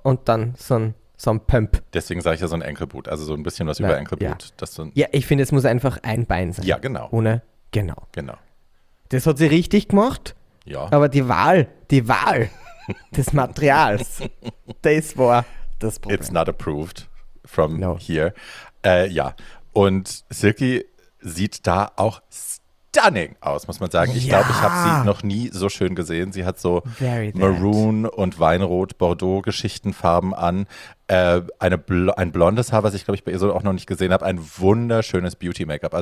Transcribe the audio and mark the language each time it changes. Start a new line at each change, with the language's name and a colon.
German: Und dann so ein, so ein Pump. Deswegen sage ich ja so ein Ankle-Boot, also so ein bisschen was. Nein, über Ankle-Boot. Ja. Ja, ich finde, es muss einfach ein Bein sein. Ja, genau. Ohne, genau. Genau. Das hat sie richtig gemacht. Ja. Aber die Wahl des Materials, das war das Problem.
English: It's not approved from here.
German: Ja, und Silky sieht da auch stunning aus, muss man sagen. Ich glaube, ich habe sie noch nie so schön gesehen. Sie hat so Maroon und Weinrot-Bordeaux-Geschichtenfarben an. Ein blondes Haar, was ich, glaube ich, bei ihr so auch noch nicht gesehen habe. Ein wunderschönes Beauty-Make-up.